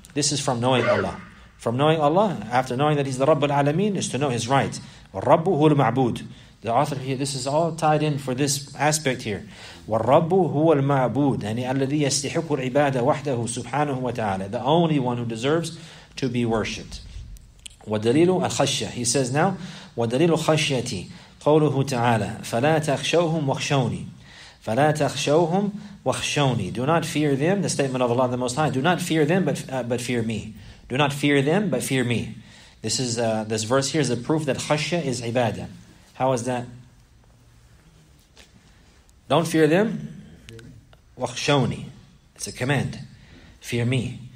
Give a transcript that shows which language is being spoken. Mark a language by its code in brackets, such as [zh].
[en] This is from knowing Allah. From knowing Allah, after knowing that He's the Rabbul Alameen, is to know His right. [ar] وَالرَّبُّ هُوَ الْمَعْبُودُ. [en] The author here, this is all tied in for this aspect here. [ar] وَالرَّبُّ هُوَ الْمَعْبُودُ يعني الَّذِي يَسْتِحِقُّ الْعِبَادَ وَحْدَهُ سُبْحَانَهُ وَتَعَالَى. [en] The only one who deserves to be worshipped. [ar] وَدَلِيلُ الْخَشْيَةِ. [en] He says now, [ar] وَدَلِيلُ الْخَشْيَةِ قَوْلُهُ تَعَالَى فَلَا تَخْشَوْهُمْ وَخْشَوْنِي. فَلَا تَخْشَوْهُمْ وَخْشَوْنِي. [en] Do not fear them, the statement of Allah the Most High. Do not fear them, but fear me. Do not fear them, but fear me. This is this verse here is a proof that khashya is ibadah. How is that? Don't fear them. وَخْشَوْنِي. It's a command. Fear me.